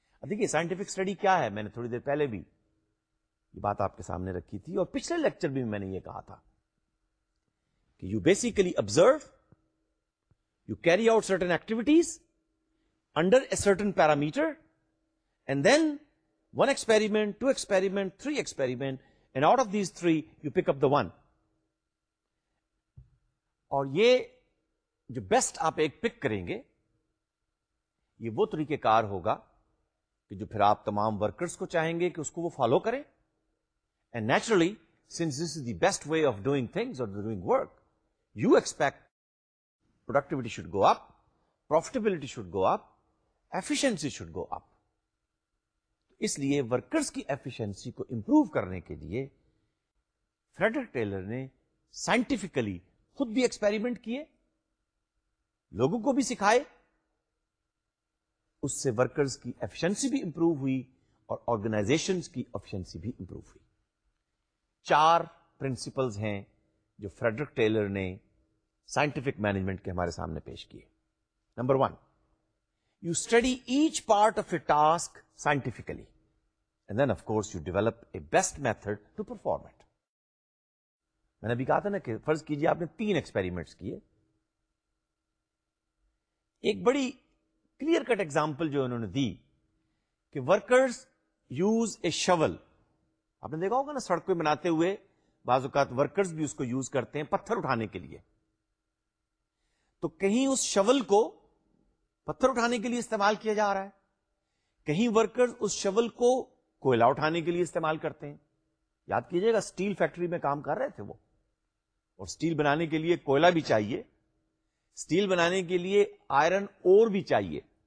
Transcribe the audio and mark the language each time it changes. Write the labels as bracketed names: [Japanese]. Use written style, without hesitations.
[Urdu] دیکھیے scientific study کیا ہے, میں نے تھوڑی دیر پہلے بھی یہ بات آپ کے سامنے رکھی تھی, اور پچھلے لیکچر بھی میں نے یہ کہا تھا کہ [English] you basically observe, you carry out certain activities under a certain parameter, and then one experiment, two experiment, three experiment, and out of these three you pick up the one. [Urdu] اور یہ جو بیسٹ آپ ایک پک کریں گے, یہ وہ طریقہ کار ہوگا کہ جو پھر آپ تمام ورکرز کو چاہیں گے کہ اس کو وہ فالو کریں, [English] And naturally since this is the best way of doing things or doing work, you expect productivity should go up, profitability should go up, efficiency should go up. [Urdu] اس لیے ورکرز کی efficiency کو improve کرنے کے لیے Frederick Taylor نے scientifically خود بھی experiment کیے, لوگوں کو بھی سکھائے, اس سے ورکرز کی ایفیشنسی بھی امپروو ہوئی اور آرگنائزیشن کی ایفیشنسی بھی امپروو ہوئی. چار پرنسپلز ہیں جو فریڈرک ٹیلر نے سائنٹیفک مینجمنٹ کے ہمارے سامنے پیش کیے. Number one, [English] You study each part of a task scientifically. And then, of course, you develop a best method to perform it. I have said that, first, you have done three experiments. One very clear-cut example which they gave, that workers use a shovel. You have seen that, when you make a road, some of the workers also use it for the stone. So, somewhere that shovel [Urdu] پتھر اٹھانے کے لیے استعمال کیا جا رہا ہے, کہیں ورکرز اس شول کو کوئلہ اٹھانے کے لیے استعمال کرتے ہیں. یاد کیجئے گا, سٹیل فیکٹری میں کام کر رہے تھے وہ, اور سٹیل بنانے کے لیے کوئلہ بھی چاہیے, سٹیل بنانے کے لیے آئرن اور بھی چاہیے.